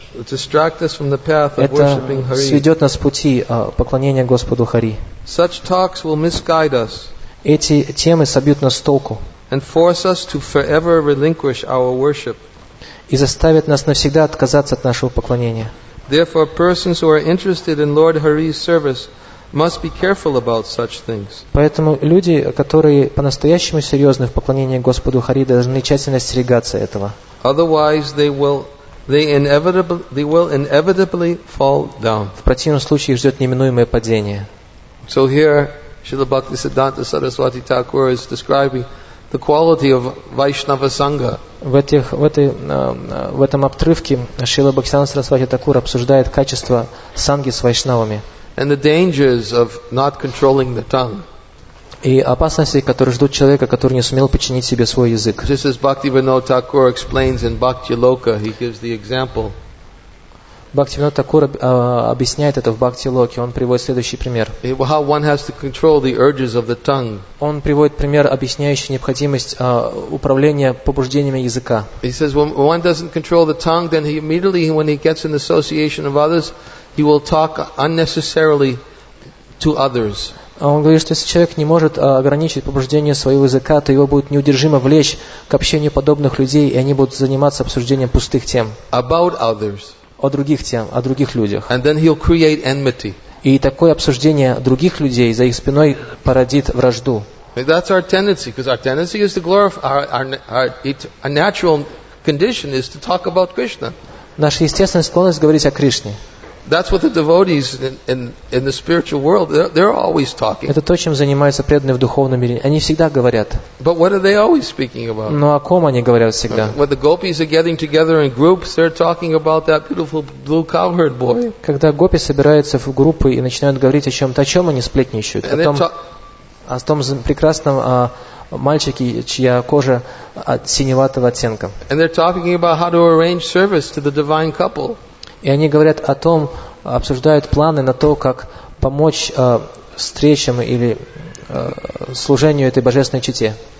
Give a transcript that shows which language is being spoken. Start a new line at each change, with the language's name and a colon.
English: Distract us from the path of worshiping Hari.
Russian: Это сведет нас с пути поклонения Господу Хари.
English: Such talks will misguide us.
Russian: Эти темы собьют нас с толку.
English: And force us to forever relinquish our worship.
Russian: И заставят нас навсегда отказаться от нашего поклонения.
English: Therefore, persons who are interested in Lord Hari's service must be careful about such things.
Russian: Поэтому люди, которые по-настоящему серьезны в поклонении Господу Хари, должны тщательно остерегаться этого.
English: Otherwise, they will inevitably fall down.
Russian: В противном случае их ждет неминуемое падение.
English: So here, Srila Bhaktisiddhanta Saraswati Thakur is describing the quality of Vaishnava Sangha.
Russian: В этом обрывке Шрила Бхактисиддханта Сарасвати Такур обсуждает качество санги с вайшнавами.
English: And the dangers of not controlling the tongue.
Russian: И опасности, которые ждут человека, который не сумел подчинить себе свой язык.
English: This is Bhaktivinoda Thakur explains in Bhakti Loka. He gives the example.
Russian: Бхактивинода Такур объясняет это в Бхакти Локе. Он приводит следующий пример.
English: How one has to control the urges of the tongue.
Russian: Он приводит пример, объясняющий необходимость управления побуждениями языка.
English: He says, when one doesn't control the tongue, then he immediately, when he gets in association of others, you will talk unnecessarily to others.
Russian: Он говорит, что если человек не может ограничить побуждение своего языка, то его будет неудержимо влечь к общению подобных людей, и они будут заниматься обсуждением пустых тем.
English: About others.
Russian: О других тем, о других людях.
English: And then he'll create enmity.
Russian: И такое обсуждение других людей за их спиной породит вражду.
English: That's our tendency, because our tendency is to glorify our natural condition is to talk about Krishna.
Russian: Наша естественная склонность говорить о Кришне.
English: That's what the devotees in the spiritual world they're always talking.
Russian: Это то, чем занимаются преданные в духовном мире. Они всегда говорят.
English: But what are they always speaking about?
Russian: Но о ком они говорят всегда?
English: When the gopis are getting together in groups, they're talking about that beautiful blue cowherd boy.
Russian: Когда гопи собираются в группы и начинают говорить о чем-то, о чем они сплетничают? О том прекрасном мальчике, чья кожа от синеватого оттенка.
English: And they're talking about how to arrange service to the divine couple.
Russian: И они говорят о том, обсуждают планы на то, как помочь встречам или служению этой божественной чете.